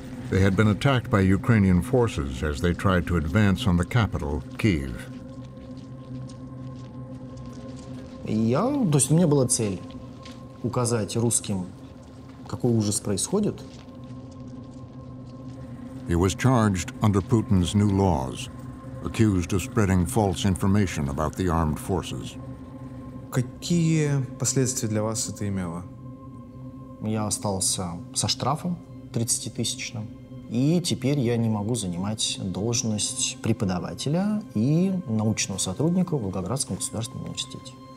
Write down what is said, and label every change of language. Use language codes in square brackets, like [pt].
[en] They had been attacked by Ukrainian forces as they tried to advance on the capital, Kyiv. [ru] Я, то есть у меня была цель указать русским, какой ужас происходит. [en] He was charged under Putin's new laws, accused of spreading false information about the armed forces. [ru] Какие последствия для вас это имело? Я остался со штрафом 30-тысячным, и теперь я не могу занимать должность преподавателя и научного сотрудника в Волгоградском государственном университете.